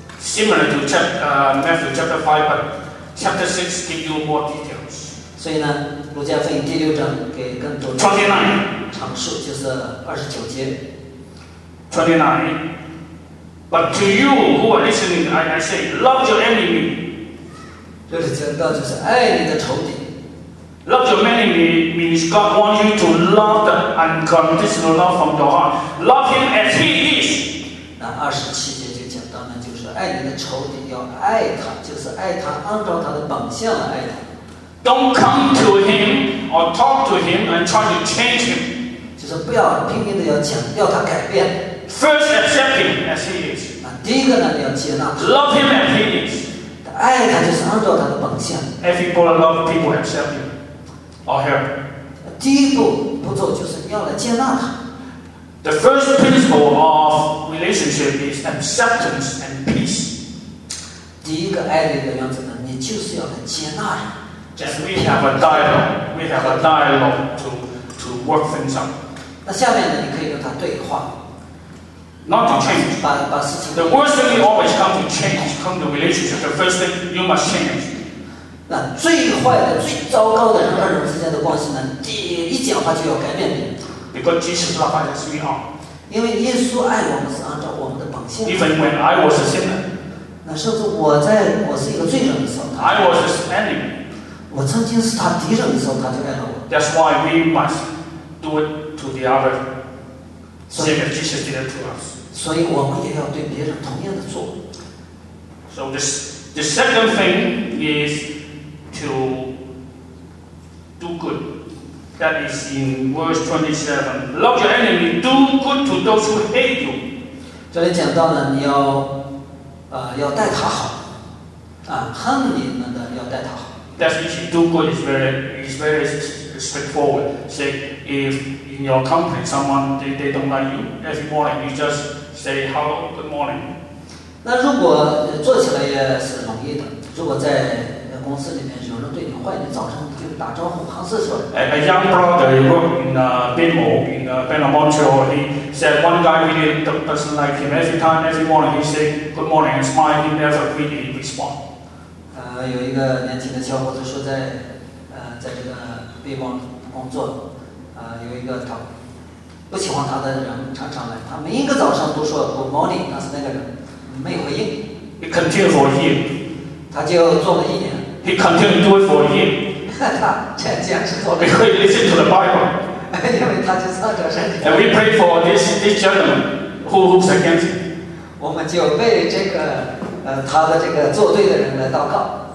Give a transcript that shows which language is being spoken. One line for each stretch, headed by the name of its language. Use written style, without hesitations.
English: Similar to Matthew chapter 5, but chapter 6 gives you more details.
Chinese: 所以呢，路加福音第六章给更多的阐述，就是29节。
English: 29. But to you who are listening, I say, love your enemy.
Chinese: 这里讲到就是爱你的仇敌。
English: Love your enemy means God wants you to love the unconditional love from your heart. Love him as he is.
Chinese: 那二十七节就讲到呢，就是爱你的仇敌，要爱他，就是爱他，按照他的本相来爱他。
English: Don't come to him or talk to him and try to change him.
Chinese: 就是不要拼命的要讲，要他改变。
English: First, accept him as he is.
Chinese: 那第一个呢，你要接纳他。
English: Love him as he is.
Chinese: 爱他就是按照他的本相。
English: Everybody love people accept him. Or help.
Chinese: 第一步步骤就是你要来接纳他。
English: The first principle of relationship is acceptance and peace.
Chinese: 第一个爱的一个原则呢，你就是要来接纳人。
English: Just we have a dialogue. We have a dialogue to work things out.
Chinese: 那下面呢，你可以跟他对话。
English: Not to change.
Chinese: 把事情。
English: The worst thing always comes to change. Come to relationship. The first thing you must change.
Chinese: 那最坏的、最糟糕的人和人之间的关系呢？第一讲话就要改变别人。
English: Because Jesus loved us as we are.
Chinese: 因为耶稣爱我们是按照我们的本性。
English: Even when I was a sinner.
Chinese: 那甚至我是一个罪人的时候，
English: I was his enemy.
Chinese: 我曾经是他敌人的时候，他就爱了我。
English: That's why we must do it to the other, same as Jesus did it to us.
Chinese: 所以我们也要对别人同样的做。
English: So the second thing is to do good. That is in verse 27. Love your enemy. Do good to those who hate you.
Chinese: 这里讲到了你要要待他好，恨你们的要待他好。
English: That's if you do good is very straightforward. Say if in your company someone they don't like you every morning, you just say hello, good morning.
Chinese: 那如果做起来也是容易的，如果在公司里面有人对你坏，你早上就打招呼，旁视出来。
English: A young brother worked in a BMO in a Banner Montreal. He said one guy really doesn't like him. Every time, every morning, he say good morning and smile. He never really respond.
Chinese: 有一个年轻的小伙子说在这个 BMO 工作，有一个他不喜欢他的人常常来，他每一个早上都说
English: good morning，
Chinese: 但是那个人没有回应。
English: He continued for a year.
Chinese: 他就做了一年。
English: He continued to do it for a year.
Chinese: 他坚持做了。
English: Because he listened to the Bible.
Chinese: 因为他就照着圣经。
English: And we pray for this gentleman who hopes against him.
Chinese: 我们就为这个他的这个做对的人来祷告。